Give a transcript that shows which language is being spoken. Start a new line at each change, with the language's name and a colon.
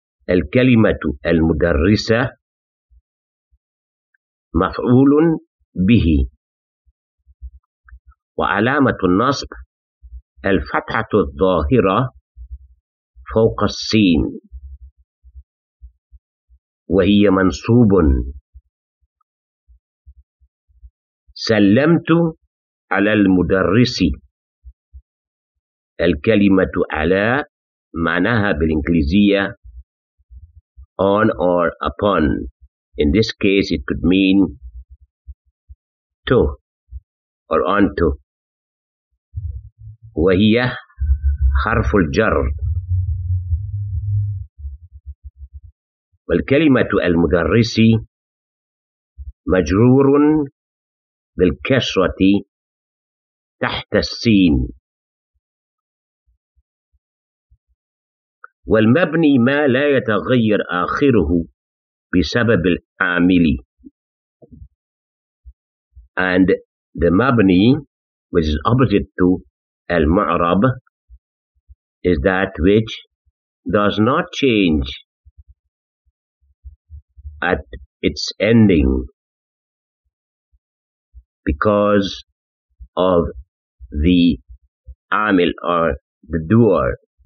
Arabic: الكلمة المدرسة مفعول به وعلامة النصب الفتحة الظاهرة فوق السين وهي منصوب. سلمت على المدرس. الكلمة على معناها بالإنجليزية
English: on or upon. In this case it could mean to or onto.
Arabic: وهي حرف الجر. والكلمة المدرس مجرور بالكسرة تحت السين. والمبني ما لا يتغير آخره بسبب العامل.
English: And the مبني which is opposite to المعرب is that which does not change at its ending because of the عامل or the doer.